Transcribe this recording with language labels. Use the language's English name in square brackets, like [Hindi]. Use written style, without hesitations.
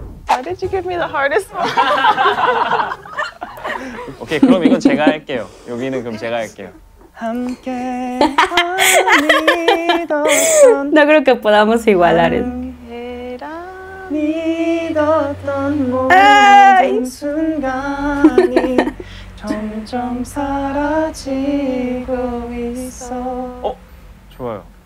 [English] Why did you give me the hardest one? [Korean] 오케이, 그럼 이건 제가 할게요. 여기는 그럼 제가 할게요. 함께 믿었던 [Spanish] No creo que podamos igualar eso. [Korean] 믿었던 모든 순간이 점점 사라지고 있어. 어? 좋아요.